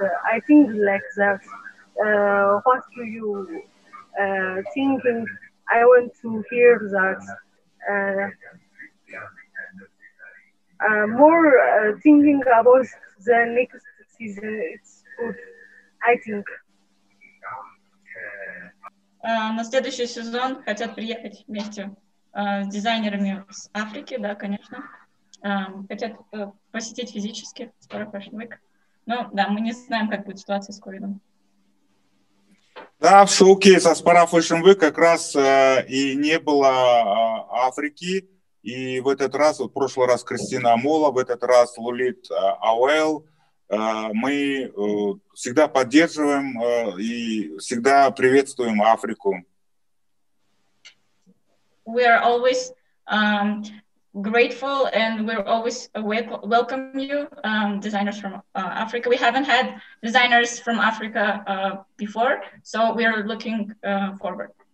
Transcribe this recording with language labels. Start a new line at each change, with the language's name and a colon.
English: I think like that. What do you think? I want to hear that more thinking about the next season. It's good, I think.
Russian: На следующий сезон хотят приехать вместе с дизайнерами с Африки, да, конечно. Хотят посетить физически Aspara Fashion Week. Но да, мы не знаем, как будет ситуация с ковидом. Да, в шоу-кейс Aspara Fashion Week как раз и не было Африки. И в этот раз, вот в прошлый раз Кристина Амола, в этот раз Лолит Ауэл. Мы всегда поддерживаем и всегда приветствуем Африку.
English: We are always grateful and we're always welcome you, designers from Africa. We haven't had designers from Africa before, so we are looking forward.